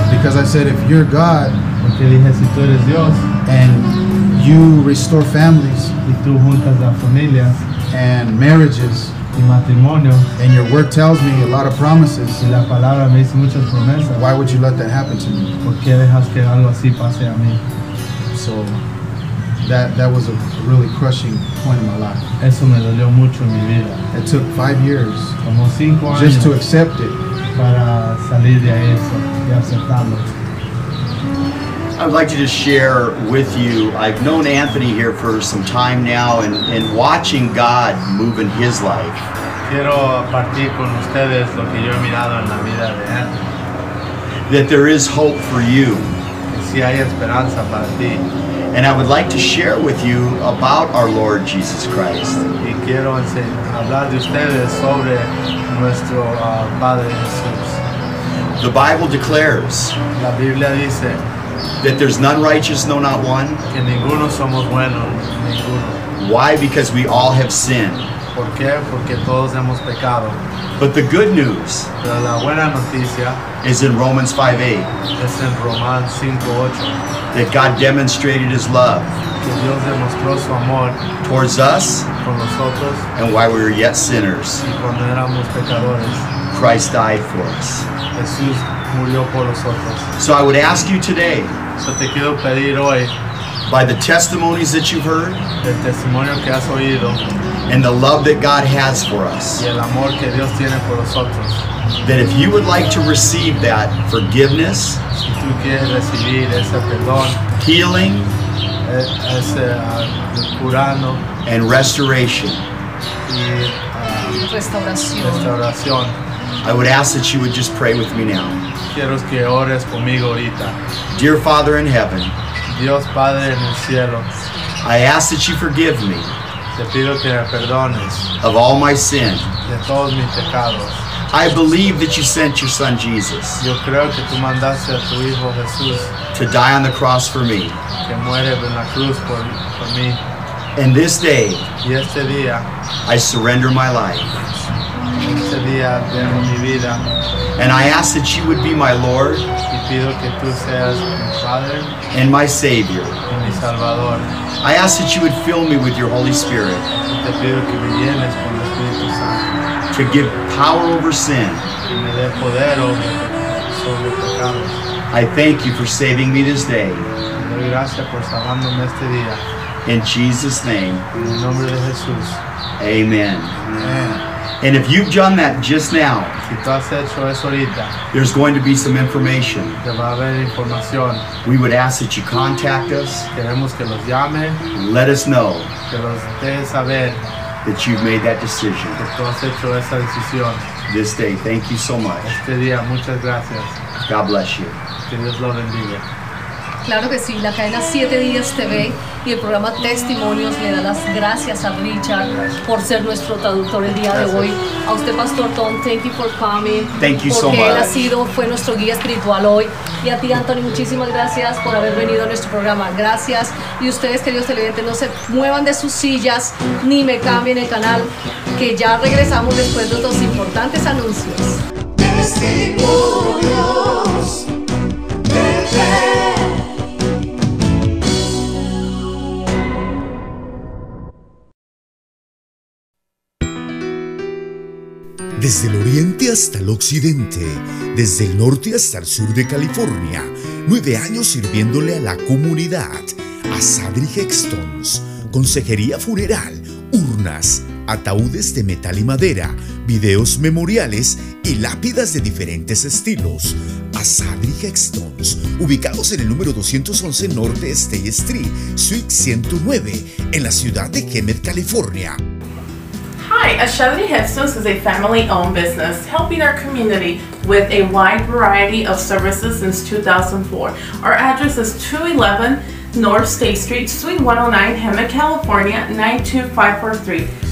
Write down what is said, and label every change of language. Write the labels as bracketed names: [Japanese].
[English] Because I said, if you're God, [Spanish] porque dije, si tú eres Dios, [English] and you restore families, [Spanish] y tú juntas la familia, [English] and marriages, [Spanish] y matrimonio, [English] and your word tells me a lot of promises, [Spanish] y la palabra me dice muchas promesas, [English] why would you let that happen to me? [Spanish] ¿Por qué dejas que algo así pase a mí? [English] So that was a really crushing point in my life. [Spanish] Eso me dolió mucho en mi vida. [English] It took 5 years, [Spanish] como 5 años, [English] just to accept it, [Spanish] para salir de eso y aceptarlo. [English] I'd like to just share with you, I've known Anthony here for some time now and watching God move in his life. [Spanish] Quiero partir con ustedes lo que yo he mirado en la vida de Anthony. [English] That there is hope for you. [Spanish] Si hay esperanza para ti. [English] And I would like to share with you about our Lord Jesus Christ. [Spanish] Y quiero hablar de ustedes sobre nuestro Padre Jesús. [English] The Bible declares, [Spanish] la Biblia dice, [English] that there's none righteous, no, not one. [Spanish] Que ninguno somos buenos, ninguno. [English] Why? Because we all have sinned. [Spanish] ¿Por qué? Porque todos hemos pecado. [English] But the good news, [Spanish] pero la buena noticia, [English] is in Romans 5:8. [Spanish] Es en Romanos 5:8. [English] That God demonstrated His love, [Spanish] que Dios demostró su amor, [English] towards us, [Spanish] por nosotros, [English] and while we were yet sinners, [Spanish] y cuando éramos pecadores, [English] Christ died for us. [Spanish] Jesús murió por nosotros. [English] So I would ask you today, [Spanish] so te quiero pedir hoy, [English] by the testimonies that you've heard, [Spanish] el testimonio que has oído, [English] and the love that God has for us, [Spanish] y el amor que Dios tiene por nosotros, [English] that if you would like to receive that forgiveness, [Spanish] si tú quieres recibir ese perdón, [English] healing, [Spanish] ese, curando, [English] and restoration, [Spanish] y, restauración. [English] I would ask that you would just pray with me now. [Spanish] Quiero que ores conmigo ahorita. [English] Dear Father in heaven, [Spanish] Dios Padre en el cielo. [English] I ask that you forgive me. [Spanish] Te pido que me perdones. [English] Of all my sin. [Spanish] De todos mis pecados. [English] I believe that you sent your son Jesus. [Spanish] Yo creo que tú mandaste a tu hijo Jesús. [English] To die on the cross for me. [Spanish] Que muere en la cruz por mí. [English] And this day. [Spanish] Y este día. [English] I surrender my life. [Spanish] Este día dejo mi vida. [English] And I ask that you would be my Lord. [Spanish] Y pido que tú seas mi padre. [English] And my Savior. [Spanish] Y mi Salvador. [English] I ask that you would fill me with your Holy Spirit. [Spanish] Te pido que me llenes con el Espíritu Santo. [English] To give power over sin. [Spanish] Y me dé poder sobre pecados. [English] I thank you for saving me this day. [Spanish] Doy gracias por salvándome este día. [English] In Jesus' name. [Spanish] En el nombre de Jesús. [English] Amen. [Spanish] Amen. [English] And if you've done that just now, [Spanish] si tú has hecho eso ahorita, [English] there's going to be some information. [Spanish] Te va a haber información. [English] We would ask that you contact us. [Spanish] Queremos que los llamen. [English] Let us know [Spanish] que los dejes saber [English] that you've made that decision. [Spanish] Que tú has hecho esa decisión. [English] This day, thank you so much. [Spanish] Este día, muchas gracias. [English] God bless you. [Spanish] Que Dios lo bendiga. Claro que sí, la cadena 7 Días TV y el programa Testimonios le da las gracias a Richard por ser nuestro traductor el día de hoy. A usted, Pastor Tom, [English] thank you for coming. Thank you so much. [Spanish] Porque él ha sido, fue nuestro guía espiritual hoy. Y a ti, Anthony, muchísimas gracias por haber venido a nuestro programa. Gracias. Y ustedes, queridos televidentes, no se muevan de sus sillas ni me cambien el canal, que ya regresamos después de los importantes anuncios. Testimonios de fe. Desde el oriente hasta el occidente, desde el norte hasta el sur de California, 9 años sirviéndole a la comunidad, a Sadri Hextons, consejería funeral, urnas, ataúdes de metal y madera, videos memoriales y lápidas de diferentes estilos. A Sadri Hextons, ubicados en el número 211 Norte State Street, Suite 109, en la ciudad de Hemet, California. [English] Hi, Ashadri Hepstones is a family-owned business helping our community with a wide variety of services since 2004. Our address is 211 North State Street, Suite 109, Hemet, California, 92543.